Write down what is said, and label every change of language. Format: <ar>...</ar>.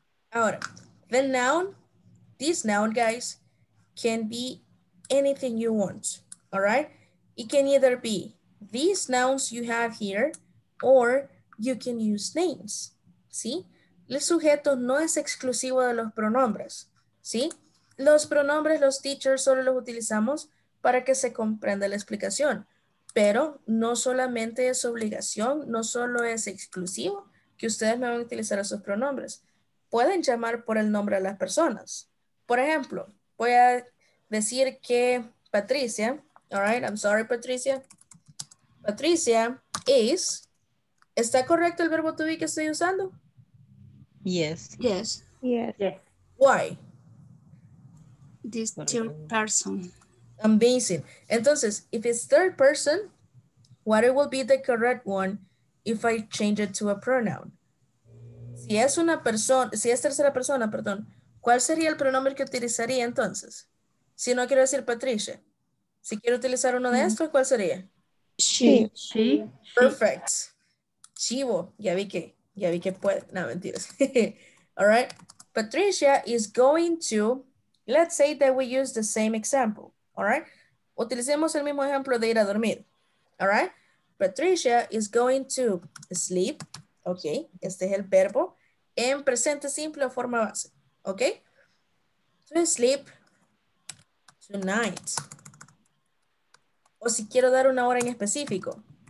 <es>Ahora,</es> <en>the noun, this noun, guys, can be anything you want. Alright. It can either be these nouns you have here, or you can use names.</en> <es>¿Sí? El sujeto no es exclusivo de los pronombres. ¿Sí? Los pronombres, los teachers, solo los utilizamos para que se comprenda la explicación. Pero no solamente es obligación, no solo es exclusivo que ustedes me van a utilizar esos pronombres. Pueden llamar por el nombre de las personas. Por ejemplo, voy a decir que Patricia,</es> <en>all right, I'm sorry,</en> <es>Patricia.</es> <en>Patricia is,</en> <es>¿está correcto el verbo to be que estoy usando?</es> <en>Yes. Yes. Yes. Why? This third person. Amazing.</en> <es>Entonces,</es> <en>if it's third person, what it will be the correct one if I change it to a pronoun?</en> <es>Si es una persona, si es tercera persona, perdón, ¿cuál sería el pronombre que utilizaría entonces? Si no quiero decir Patricia, si quiero utilizar uno de estos, ¿cuál sería?</es> <en>She. Perfect.</en> <es>Chivo, ya vi que puede. No, mentiras.</es> <en>All right. Patricia is going to, let's say that we use the same example. All right.</en> <es>Utilicemos el mismo ejemplo de ir a dormir.</es> <en>All right. Patricia is going to sleep. Ok.</en> <es>Este es el verbo en presente simple o forma base.</es> <en>Ok. To sleep tonight.</en> <es>O si quiero dar una hora en específico.</es>